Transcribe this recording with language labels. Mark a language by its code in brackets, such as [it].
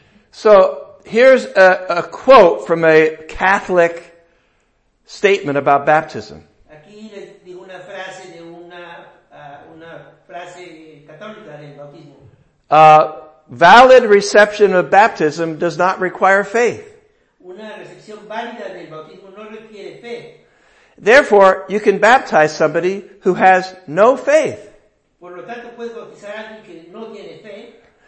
[en] So here's a quote from a Catholic statement about baptism. [es] Aquí les digo una frase de una frase católica del bautismo. [en] Valid reception of baptism does not require faith. [es] Una recepción válida del bautismo no requiere fe. [en] Therefore, you can baptize somebody who has no faith. [es] Por lo tanto, puedes bautizar a alguien que no tiene fe.